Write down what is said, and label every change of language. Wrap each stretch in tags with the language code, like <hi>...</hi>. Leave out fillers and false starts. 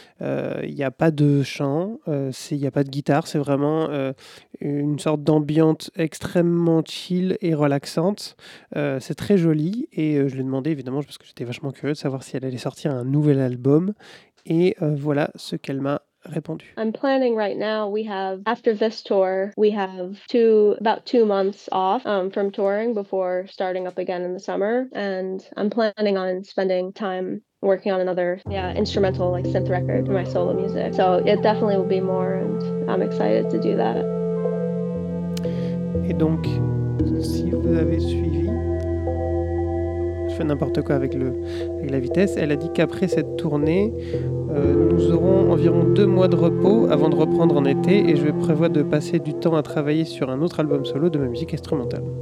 <fr>Il n'y a pas de chant, il n'y a pas de guitare. C'est vraiment une sorte d'ambiance extrêmement chill et relaxante. C'est très joli. Et je lui ai demandé, évidemment, parce que j'étais vachement curieux, de savoir si elle allait sortir un nouvel album. Et voilà ce qu'elle m'a répondu.</fr> <en>I'm planning right now. We have after this tour, we have about two months off from touring before starting up again in the summer. And I'm planning on spending time working on another instrumental like synth record for my solo music. So it definitely will be more, and I'm excited to do that.</en> <fr>Et donc, si vous avez suivi, je fais n'importe quoi avec la vitesse. Elle a dit qu'après cette tournée, nous aurons environ 2 mois de repos avant de reprendre en été et je prévois de passer du temps à travailler sur un autre album solo de ma musique instrumentale.</fr>